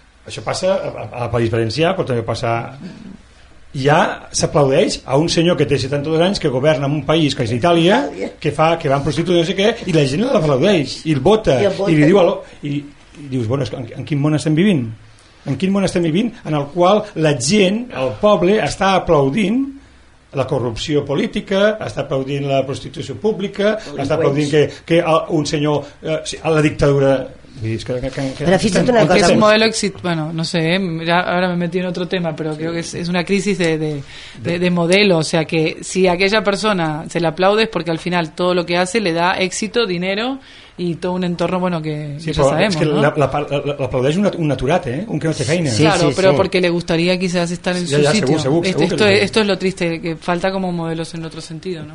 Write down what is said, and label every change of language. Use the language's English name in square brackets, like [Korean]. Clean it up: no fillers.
[Catalan] Això passa a País Valencià, però també passa... Ja s'aplaudeix a un senyor que té 72 anys que governa en un país que és Itàlia, que fa que va en prostitut no sé què, i la gent l'aplaudeix i el vota i li diu allò, i dius, bueno, en quin món estem vivint? En quin món estem vivint en el qual la gent, el poble, està aplaudint la corrupció política, està aplaudint la prostitució pública, està aplaudint que un senyor a la dictadura... [Spanish] Pero fíjate una cosa, es un modelo exitoso, bueno, no sé, ya ahora me metí en otro tema, pero creo que es una crisis de modelo, o sea que si a aquella persona se le aplaude es porque al final todo lo que hace le da éxito, dinero y todo un entorno, bueno, que sí, ya sabemos, es que ¿no? [Catalan] L'aplaudeix un naturat, ¿eh? Un que no té feina. [Spanish] Sí, claro, sí, pero sí, porque le gustaría quizás estar en su sitio. [Catalan] Segur, [Spanish] esto es lo triste, que falta como modelos en otro sentido, ¿no?